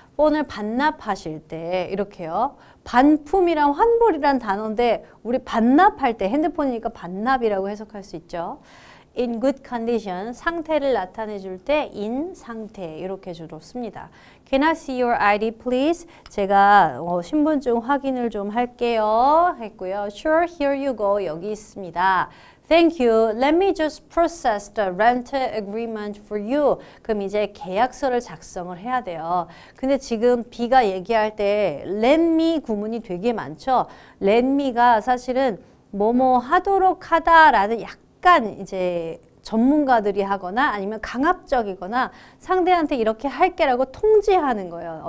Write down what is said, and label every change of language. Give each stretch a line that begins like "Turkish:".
Korean: 폰을 반납하실 때 이렇게요. 반품이랑 환불이란 단어인데 우리 반납할 때 핸드폰이니까 반납이라고 해석할 수 있죠.
English: In good condition,
Korean: 상태를 나타내 줄 때 in 상태 이렇게 주로 씁니다.
English: Can I see your ID, please?
Korean: 제가 신분증 확인을 좀 할게요 했고요.
English: Sure, here you go.
Korean: 여기 있습니다.
English: Thank you. Let me just process the rent agreement for you.
Korean: 그럼 이제 계약서를 작성을 해야 돼요. 근데 지금 B가 얘기할 때 let me 구문이 되게 많죠. Let me가 사실은 뭐뭐 하도록 하다라는 약간 이제 전문가들이 하거나 아니면 강압적이거나 상대한테 이렇게 할게라고 통지하는 거예요.